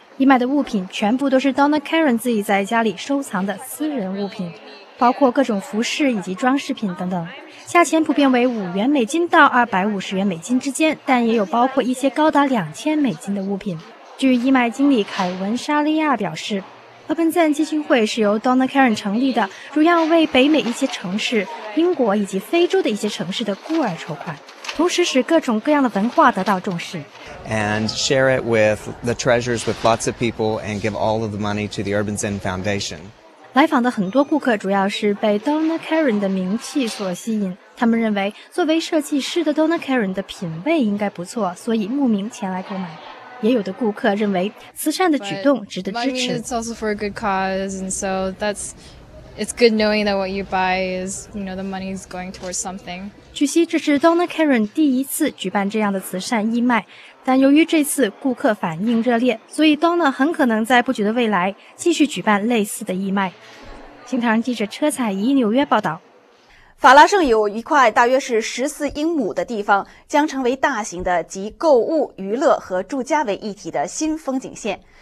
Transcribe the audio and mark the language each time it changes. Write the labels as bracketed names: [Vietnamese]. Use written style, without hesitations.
[Chinese] 义卖的物品全部都是 Donna Karan 自己在家里收藏的私人物品，包括各种服饰以及装饰品等等，价钱普遍为5元美金到250元美金之间，但也有包括一些高达2000美金的物品。据义卖经理凯文·沙利亚表示，Urban Zen 基金会是由 Donna Karan 成立的，主要为北美一些城市、英国以及非洲的一些城市的孤儿筹款，同时使各种各样的文化得到重视。 [English] And share it with the treasures with lots of people and give all of the money to the Urban Zen Foundation. [Chinese] 来访的很多顾客主要是被 Donna Karan 的名气所吸引，他们认为作为设计师的 Donna Karan 的品味应该不错，所以慕名前来购买。也有的顾客认为慈善的举动值得支持。 [English] I mean, it's also for a good cause, and so that's it's good knowing that what you buy is, you know, the money is going towards something. [Chinese] 据悉这是 Donna Karan 第一次举办这样的慈善义卖，但由于这次顾客反应热烈，所以 Donna 很可能在不久的未来继续举办类似的义卖。新唐人记者车彩怡纽约报道。法拉盛有一块大约是14英亩的地方，将成为大型的集购物、娱乐和住家为一体的新风景线。